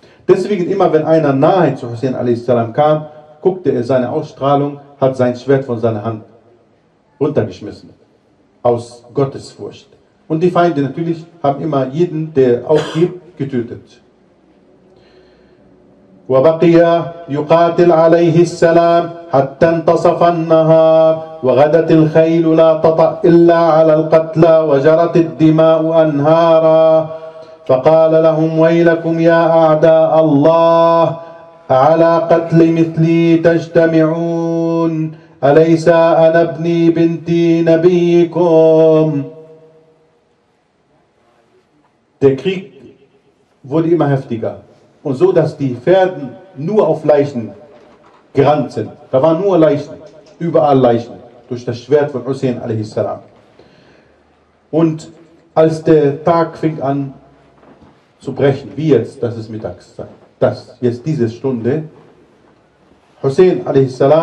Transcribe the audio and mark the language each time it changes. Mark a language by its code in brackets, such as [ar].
[de] Deswegen immer, wenn einer nahe zu Hussein a.s. kam, guckte er seine Ausstrahlung, hat sein Schwert von seiner Hand runtergeschmissen. Aus Gottesfurcht. Und die Feinde natürlich haben immer jeden, der aufgibt, getötet. [ar] وبقي يقاتل عليه السلام حتى انتصف النهار وغدت الخيل لا تطأ إلا على القتلى وجرت الدماء أنهارا فقال لهم ويلكم يا أعداء الله على قتل مثلي تجتمعون أليس أنا ابني بنتي نبيكم. [de] Der Krieg wurde immer heftiger. Und so, dass die Pferden nur auf Leichen gerannt sind. Da waren nur Leichen, überall Leichen, durch das Schwert von Hussein a.s. Und als der Tag fing an zu brechen, wie jetzt, dass es mittags sei, dass jetzt diese Stunde, Hussein a.s.